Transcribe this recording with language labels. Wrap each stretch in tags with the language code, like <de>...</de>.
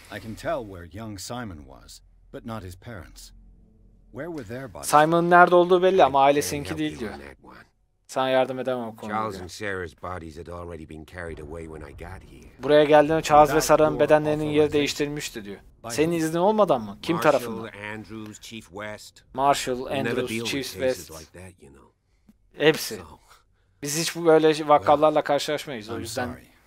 <en>I can tell where young Simon was, but not his parents. Where were their bodies?</en> <tr>Simon'ın nerede olduğu belli ama ailesinki değil diyor. Sana yardım edemem o konuda.</tr> <en>Charles and Sarah's bodies had already been carried away when I got here.</en> <tr>Buraya geldiğinde Charles ve Sarah'ın bedenlerinin yeri değiştirilmişti diyor. Senin iznin olmadan mı? Kim tarafından? Marshall Andrews, Chief West. Marshall Andrews, Chief West. Hepsi. Biz hiç bu böyle vakalarla karşılaşmayız o yüzden.</tr>